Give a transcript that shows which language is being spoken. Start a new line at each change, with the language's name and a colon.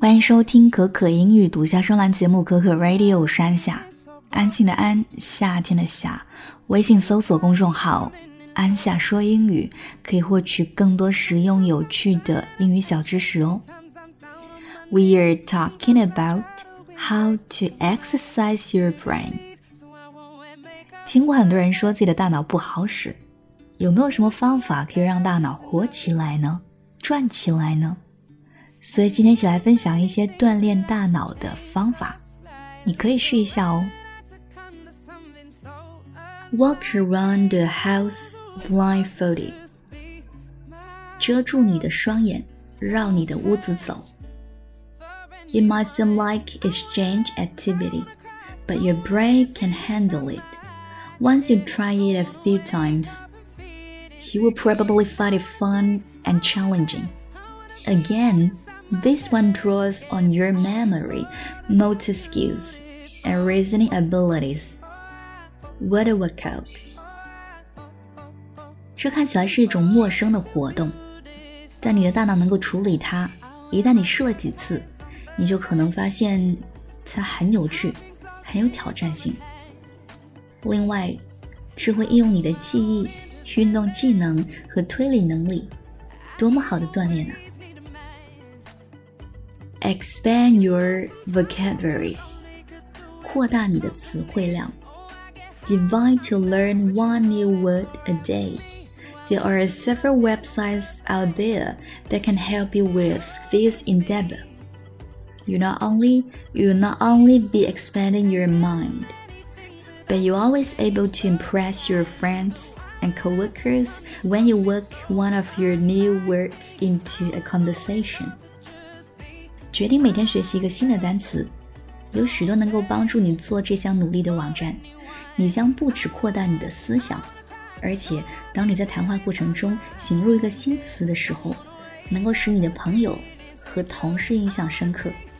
Chinese: 欢迎收听可可英语独家专栏节目可可 Radio 山下，安心的安，夏天的夏，微信搜索公众号安夏说英语，可以获取更多实用有趣的英语小知识哦。
English: We are talking about how to exercise your brain.
Chinese: 听过很多人说自己的大脑不好使，有没有什么方法可以让大脑活起来呢？转起来呢？所以今天一起来分享一些锻炼大脑的方法，你可以试一下哦。
English: Walk around the house blindfolded.
Chinese: 遮住你的双眼，绕你的屋子走。
English: It might seem like a strange activity, but your brain can handle it. Once you try it a few times, you will probably find it fun and challenging. Again, this one draws on your memory, motor skills, and reasoning abilities. What a workout!
Chinese: 这看起来是一种陌生的活动，但你的大脑能够处理它，一旦你试了几次，你就可能发现它很有趣，很有挑战性。另外，智慧应用你的记忆、运动技能和推理能力，多么好的锻炼啊！
English: Expand your vocabulary，
Chinese: 扩大你的词汇量。
English: Divine to learn one new word a day. There are several websites out there that can help you with this endeavor. You'll not only be expanding your mind, but you're always able to impress your friends and coworkers when you work one of your new words into a conversation.
Chinese: 决定每天学习一个新的单词，有许多能够帮助你做这项努力的网站。你将不止扩大你的思想，而且当你在谈话过程中引入一个新词的时候，能够使你的朋友和同事印象深刻。